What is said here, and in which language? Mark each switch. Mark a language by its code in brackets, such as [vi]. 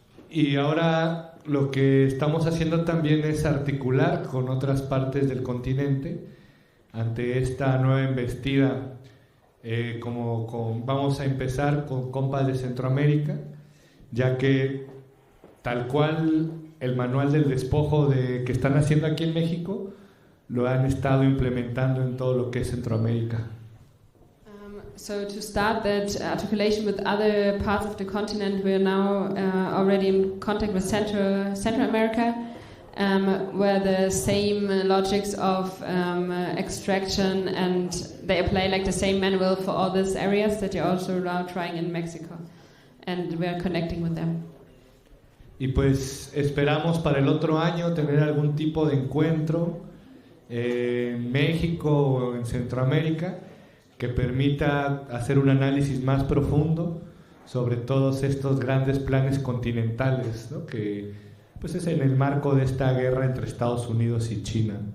[es] Y ahora lo que estamos haciendo también es articular con otras partes del continente ante esta nueva embestida, vamos a empezar con compas de Centroamérica, ya que tal cual el manual del despojo de que están haciendo aquí en México lo han estado implementando en todo lo que es Centroamérica. [en] So to start that articulation with other parts of the continent, we are now already in contact with Central America, where the same logics of extraction, and they apply like the same manual for all these areas that you're also now trying in Mexico, and we are connecting with them. [es] Y pues esperamos para el otro año tener algún tipo de encuentro en México o en Centroamérica que permita hacer un análisis más profundo sobre todos estos grandes planes continentales, ¿no?, que pues es en el marco de esta guerra entre Estados Unidos y China.